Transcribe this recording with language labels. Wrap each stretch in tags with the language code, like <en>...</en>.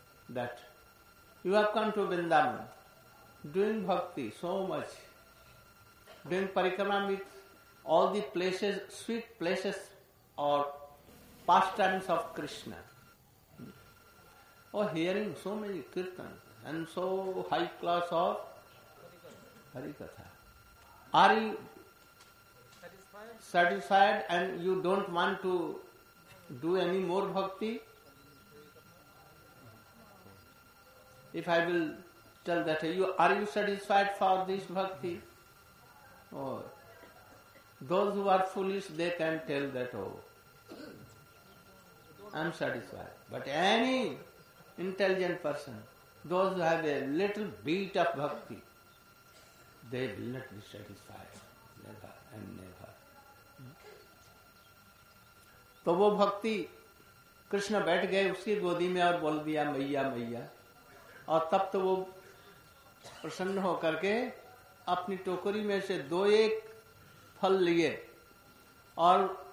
<en>That you have come to Vrindavan doing bhakti so much, doing parikrama with all the places, sweet places और pastimes of Krishna, और hearing so many kirtan and so high class of Harikatha, are you satisfied and you don't want to do any more bhakti? If I will tell that, are you satisfied for this bhakti? Oh, those who are foolish, they can tell that, oh, I'm satisfied. But any intelligent person, those who have a little bit of bhakti, they will not be satisfied, never and never.</en> <hi>तो वो भक्ति, कृष्ण बैठ गए उसकी गोदी में और बोल दिया मैया मैया, और तब तो वो प्रसन्न होकर के अपनी टोकरी में से दो एक फल लिए, और</hi>